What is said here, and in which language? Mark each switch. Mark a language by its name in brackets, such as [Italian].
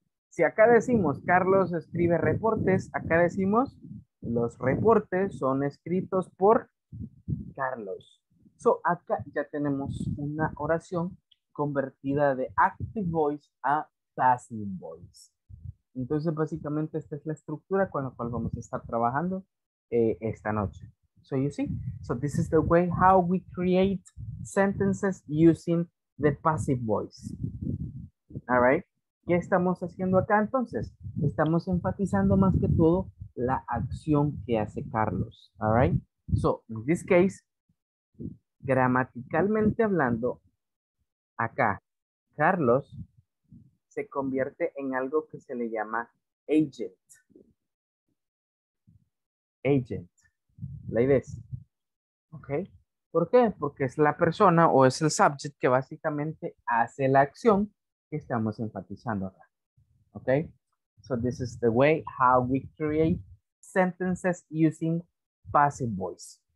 [Spanish] Si acá decimos Carlos escribe reportes, acá decimos los reportes son escritos por Carlos. So, acá ya tenemos una oración convertida de active voice a passive voice. Entonces, básicamente, esta es la estructura con la cual vamos a estar trabajando esta noche. [English] So, you see? So, this is the way how we create sentences using the passive voice. All right? [Spanish] ¿Qué estamos haciendo acá, entonces? Estamos enfatizando más que todo la acción que hace Carlos. [English] All right? So, in this case, [Spanish] gramaticalmente hablando, acá, Carlos se convierte en algo que se le llama agent. [English] Agent. Like this. ¿Ok? [Spanish] ¿Por qué? Porque es la persona o es el subject que básicamente hace la acción que estamos enfatizando acá. [English] ¿Ok? So this is the way how we create sentences using passive voice.